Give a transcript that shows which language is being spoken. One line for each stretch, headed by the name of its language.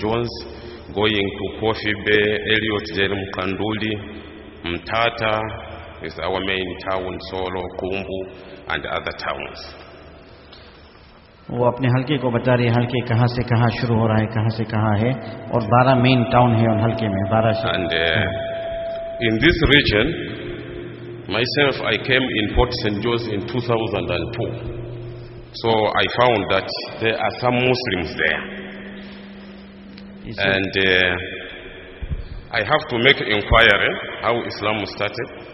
English: John's, going to Coffee Bay, Elliot, Jerem, Kanduli, Mtata is our main town, Solo, Kumbu, and other towns.
Hindi: वो अपने हलके को बता रहे हैं, हलके कहां से कहां शुरू हो रहा है, कहां से कहां है, और 12 मेन टाउन है उन हलके में, 12 शहर.
English: And in this region, myself, I came in Port St. Joe's in 2002. So I found that there are some Muslims there. And I have to make inquiry how Islam started.